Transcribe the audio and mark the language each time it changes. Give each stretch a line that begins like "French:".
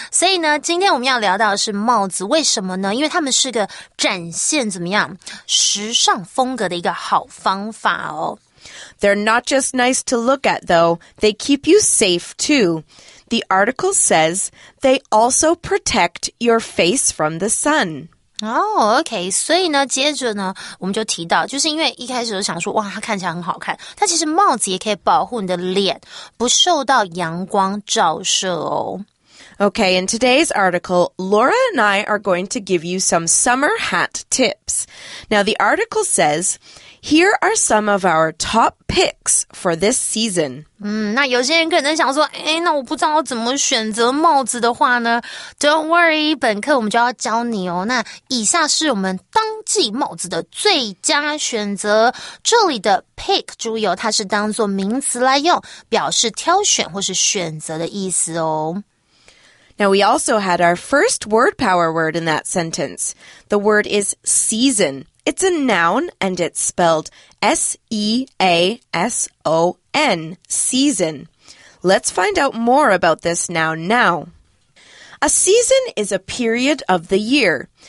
Chinese: 所以呢，今天我们要聊到的是帽子，为什么呢？因为它们是个展现怎么样？时尚风格的一个好方法哦。
English: They're not just nice to look at, though. They keep you safe, too. The article says they also protect your face from the sun. Oh, okay.
Chinese: 所以呢，接着呢，我们就提到，就是因为一开始就想说，哇，它看起来很好看。它其实帽子也可以保护你的脸，不受到阳光照射哦。
English: Okay, in today's article, Laura and I are going to give you some summer hat tips. Now, the article says, here are some of our top picks for this season.
Chinese: 那有些人可能想说，诶，那我不知道怎么选择帽子的话呢？
English: Don't worry,
Chinese: 本课我们就要教你哦。那以下是我们当季帽子的最佳选择。这里的 pick, 注意哦，它是当作名词来用，表示挑选或是选择的意思哦。
English: Now, we also had our first word power word in that sentence. The word is season. It's a noun and it's spelled S-E-A-S-O-N, season. Let's find out more about this noun now. A season is a period of the year.